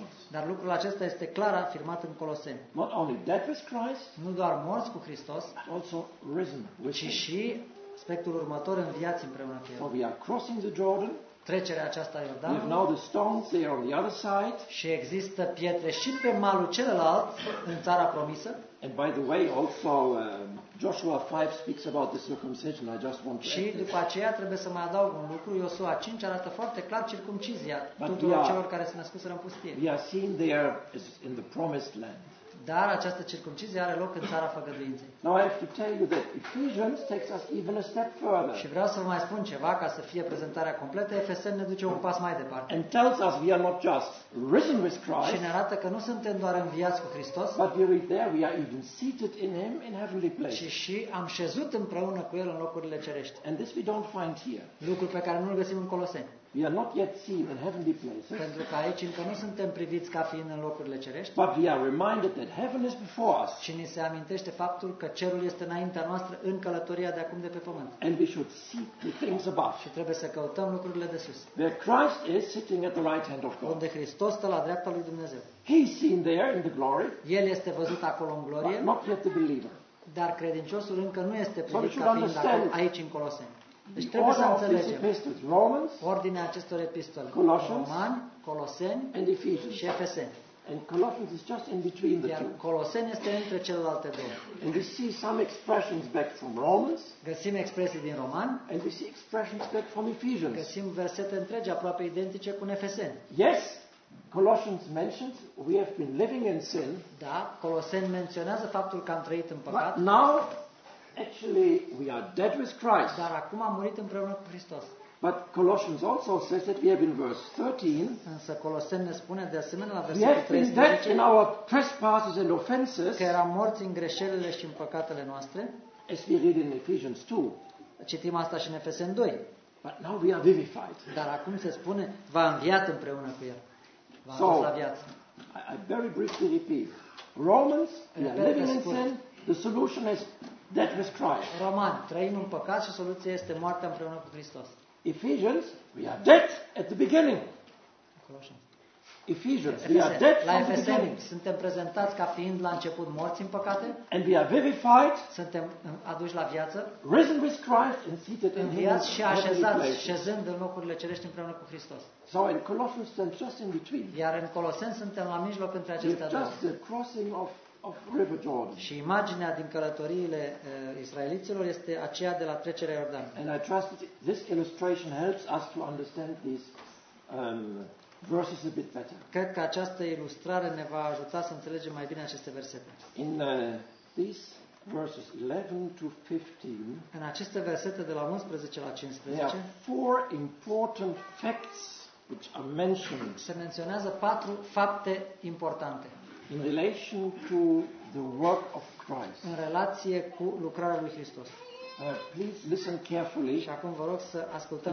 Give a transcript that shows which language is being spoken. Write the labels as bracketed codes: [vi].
[ro] Dar lucrul acesta este clar afirmat în Coloseni. [en] Not only death with Christ, [ro] nu doar morți cu Hristos, [en] also risen, [ro] ci și aspectul următor în viață împreună cu el. [en] So we are crossing the Jordan. [ro] Trecerea aceasta Iordanul. [en] We have now the stones there on the other side. [ro] Și există pietre și pe malul celălalt în țara promisă. [en] And by the way, also Joshua 5 speaks about the circumcision. I just want to. [ro] Și după aceea trebuie să mai adaug un lucru. Iosua 5 arată foarte clar circumcizia tuturor celor care s-au născut în pustie. [en] We are seen there as in the promised land. [ro] Dar această circumcizie are loc în țara făgăduinței. [en] Now I have to tell you that Ephesians takes us even a step further. [ro] Și vreau să vă mai spun ceva ca să fie prezentarea completă. Efeseni ne duce un pas mai departe. [en] And tells us we are not just risen with Christ. [ro] Și ne arată că nu suntem doar înviați cu Hristos. [en] But we are there, we are even seated in him in heavenly places. [ro] Și am șezut împreună cu el în locurile cerești. [en] And this we don't find here. [ro] Lucru pe care nu îl găsim în Coloseni. [en] We are not yet seen in heavenly places. [ro] Pentru că aici încă nu suntem priviți ca fiind în locurile cerești. [en] But we are reminded that heaven is before us. [ro] Și ni se amintește faptul că cerul este înaintea noastră în călătoria de acum de pe pământ. [en] And we should seek the things above. [ro] Și trebuie să căutăm lucrurile de sus. [en] Where Christ is sitting at the right hand of God. [ro] Unde Hristos stă la dreapta lui Dumnezeu. [en] He is seen there in the glory. [ro] El este văzut acolo în glorie. [en] But not yet the believer. [ro] Dar credinciosul încă nu este privit ca fiind aici în Coloseni. Deci trebuie să înțelegem ordinea acestor epistole. Romani, Coloseni și Efeseni. [en] And Colossians is just in between the two. [ro] Coloseni este între celelalte două. [en] And we see some expressions back from Romans. [ro] Găsim expresii din Romani. [en] And we see expressions back from Ephesians. [ro] Găsim versete întregi aproape identice cu Efeseni. [en] Yes. Colossians mentions we have been living in sin. [ro] Da, Coloseni menționează faptul că am trăit în păcat. [en] But now actually we are dead with Christ. [ro] Dar acum am murit împreună cu Hristos. [en] But Colossians also says that we have in verse 13. [ro] Însă Coloseni ne spune de asemenea la versetul [en] 13 in our trespasses and offenses. [ro] Că eram morți în greșelile și în păcatele noastre. [en] As we read in Ephesians 2. [ro] Citim asta și în Efeseni 2. [en] But now we are vivified. [ro] Dar acum se spune v-a înviat împreună cu el. V-a adus la viață. [en] I very briefly repeat. Romans, we are living in sin. The solution is that with Christ. [ro] Roman, trăim în păcat și soluția este moartea împreună cu Hristos. [en] Ephesians, we are dead at the beginning. Ephesians, we are dead [ro] la [en] from Ephesians, the beginning. [ro] Suntem prezentați ca fiind la început morți în păcate. [en] And we are vivified. [ro] Suntem aduși la viață. [en] Risen with Christ and seated in him. [ro] Și așezați, șezând în locurile cerești împreună cu Hristos. [en] So in Colossians, we are just in between. [ro] Iar în Coloseni suntem la mijloc între acestea două. [en] Just the crossing of River Jordan. [ro] Și imaginea din călătoriile israeliților este aceea de la trecerea Iordan. [en] And I trust this illustration helps us to understand these verses a bit better. [ro] Cred că această ilustrare ne va ajuta să înțelegem mai bine aceste versete. [en] In these verses 11 to 15. [ro] În aceste versete de la 11 la 15. [en] There are four important facts which are mentioned. [ro] Se menționează patru fapte importante. [en] In relation to the work of Christ. [ro] În relație cu lucrarea lui Hristos. [en] Please listen carefully. [ro] Și acum vă rog să ascultăm